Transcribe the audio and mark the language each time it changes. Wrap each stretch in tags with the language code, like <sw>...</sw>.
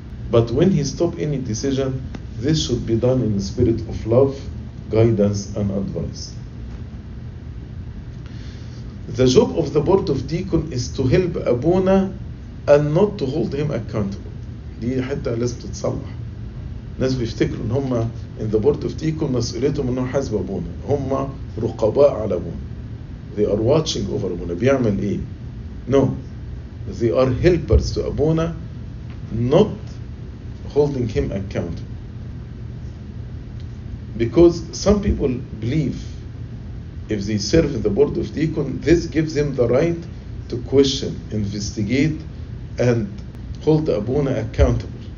<en>But when he stop any decision, this should be done in the spirit of love, guidance, and advice. The job of the board of deacon is to help Abuna and not to hold him accountable.</en> <ar>دي حتى لازم تتصلح. ناس بيفتكروا ان هم</ar> <en>in the board of deacon</en> <ar>مسؤوليتهم انهم حاسب أبونا. هم رقباء على أبونا.</ar> <en>they are watching over Abuna.</en> <ar>بيعمل إيه؟</ar> <en>No. They are helpers to Abuna, not holding him accountable. Because some people believe if they serve the board of deacon, this gives them the right to question, investigate, and hold Abuna accountable.</en>